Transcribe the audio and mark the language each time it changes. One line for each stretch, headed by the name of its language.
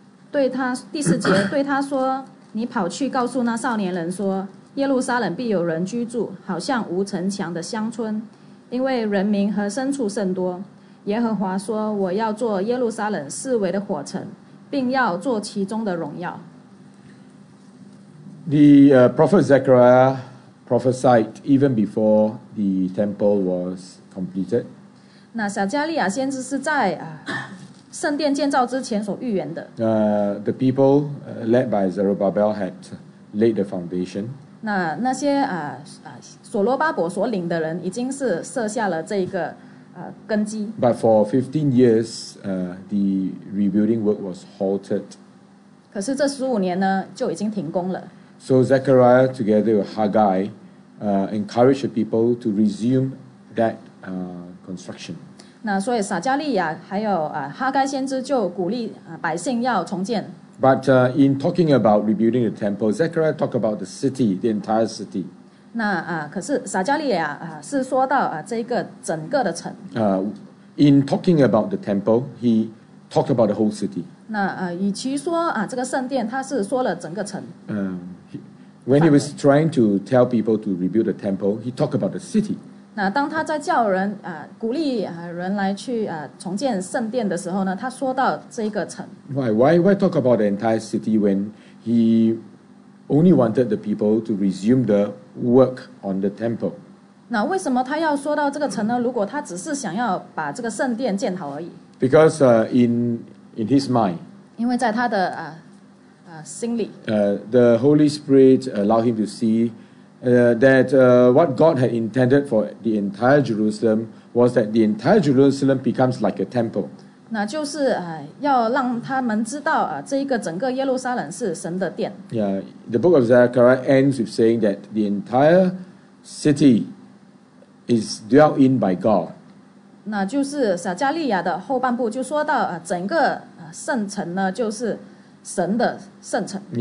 Chinese: 对他第四节对他说：“你跑去告诉那少年人说，耶路撒冷必有人居住，好像无城墙的乡村，因为人民和牲畜甚多。耶和华说：我要做耶路撒冷四围的火城，并要做其中的荣耀。”
English: The prophet Zechariah prophesied even before the temple was completed.
Chinese: 那撒迦利亚先知是在圣殿建造之前所预言的。
English: The people led by Zerubbabel had laid the foundation.
Chinese: 那些所罗巴伯所领的人已经是设下了这个根基。
English: But for 15 years, the rebuilding work was halted.
Chinese: 可是这15年呢，就已经停工了。
English: So Zechariah, together with Haggai, encouraged the people to resume that construction.
Chinese: 那所以撒迦利亚还有哈该先知就鼓励百姓要重建。
English: But in talking about rebuilding the temple, Zechariah talked about the city, the entire city.
Chinese: 那可是撒迦利亚是说到这个整个的城。
English: In talking about the temple, he talked about the whole city.
Chinese: 那与其说这个圣殿，他是说了整个城。
English: When he was trying to tell people to rebuild the temple, he talked about the city.
Chinese: 那当他在叫人鼓励人来去重建圣殿的时候呢，他说到这个城。
English: Why talk about the entire city when he only wanted the people to resume the work on the temple?
Chinese: 那为什么他要说到这个城呢？如果他只是想要把这个圣殿建好而已。
English: Because in his mind.
Chinese: 因为在他的心里。
English: The Holy Spirit allowed him to see that what God had intended for the entire Jerusalem was that the entire Jerusalem becomes like a temple.
Chinese: 那就是要让他们知道这一个整个耶路撒冷是神的殿。
English: Yeah, the book of Zechariah ends with saying that the entire city is dwelt in by God.
Chinese: 那就是撒迦利亚的后半部就说到整个圣城呢就是神的圣城。